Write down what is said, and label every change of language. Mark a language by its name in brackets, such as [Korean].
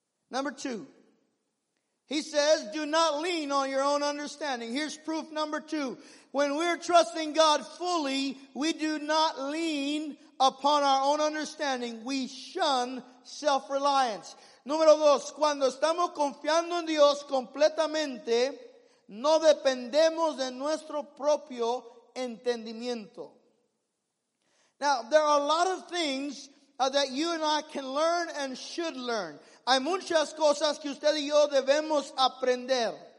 [English] Number two. He says, do not lean on your own understanding. Here's proof number two. When we're trusting God fully, we do not lean upon our own understanding. We shun self-reliance. [Spanish] Número dos, cuando estamos confiando en Dios completamente, no dependemos de nuestro propio entendimiento. [English] Now, there are a lot of things that you and I can learn and should learn. [Spanish] Hay muchas cosas que usted y yo debemos aprender.